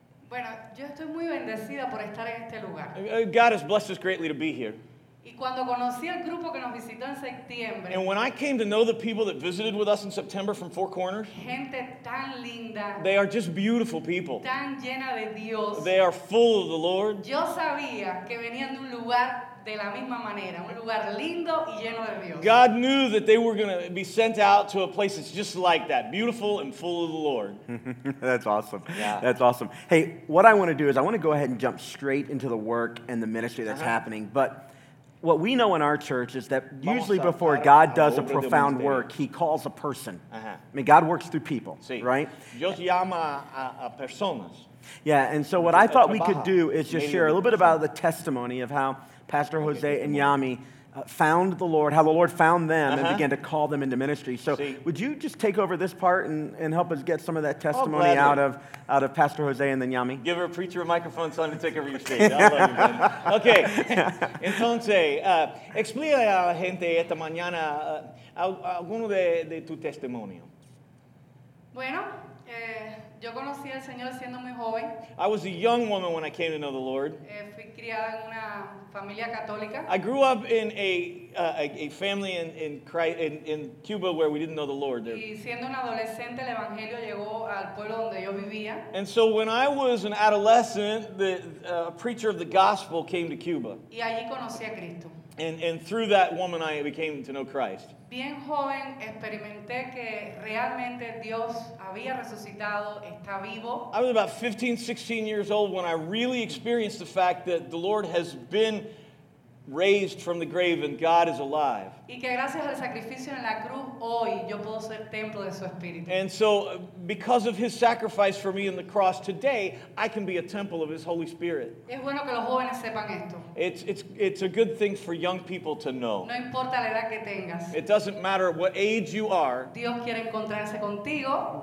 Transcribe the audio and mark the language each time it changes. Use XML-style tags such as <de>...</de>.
<es>Bueno, yo estoy muy bendecida por estar en este lugar.</es> <en>God has blessed us greatly to be here.</en> <es>Y cuando conocí al grupo que nos visitó en septiembre.</es> <en>And when I came to know the people that visited with us in September from Four Corners.</en> <es>Gente tan linda.</es> <en>They are just beautiful people.</en> <es>Tan llena de Dios.</es> <en>They are full of the Lord.</en> <es>Yo sabía que venían de un lugar de la misma manera, un lugar lindo y lleno de Dios.</es> <en>God knew that they were going to be sent out to a place that's just like that, beautiful and full of the Lord. That's awesome. Yeah. That's awesome. Hey, what I want to do is I want to go ahead and jump straight into the work and the ministry that's happening. But what we know in our church is that usually before God does a profound work, he calls a person. Uh-huh. I mean, God works through people,</en> <es>sí.</es> <en>Right?</en> <es>Dios llama a personas.</es> <en>Yeah, and so what I thought we could do is just share a little bit about the testimony of how Pastor Jose and Yami found the Lord, how the Lord found them and began to call them into ministry. So would you just take over this part and help us get some of that testimony out of Pastor Jose and then Yami? Give her a preacher a microphone, son, to take over your stage. I love you, man. Okay.</en> <es>Entonces, explícale a la gente esta mañana alguno de tu testimonio. Bueno, yo conocí al Señor siendo muy joven.</es> <en>I was a young woman when I came to know the Lord.</en> <es>Fui criada en una familia católica.</es> <en>I grew up in a family in Cuba where we didn't know the Lord.</en> <es>Y siendo una adolescente, el evangelio llegó al pueblo donde yo vivía.</es> <en>And so when I was an adolescent, the preacher of the gospel came to Cuba.</en> <es>Y allí conocí a Cristo.</es> <en>And through that woman, I became to know Christ.</en> <es>Bien joven, experimenté que realmente Dios había resucitado, está vivo.</es> <en>I was about 15, 16 years old when I really experienced the fact that the Lord has been raised from the grave and God is alive.</en> <es>Y que gracias al sacrificio en la cruz, hoy yo puedo ser templo de su Espíritu.</es> <en>And so, because of his sacrifice for me in the cross today, I can be a temple of his Holy Spirit.</en> <es>Es bueno que los jóvenes sepan esto.</es> <en>It's a good thing for young people to know.</en> <es>No importa la edad que tengas.</es> <en>It doesn't matter what age you are.</en> <es>Dios quiere encontrarse contigo.</es>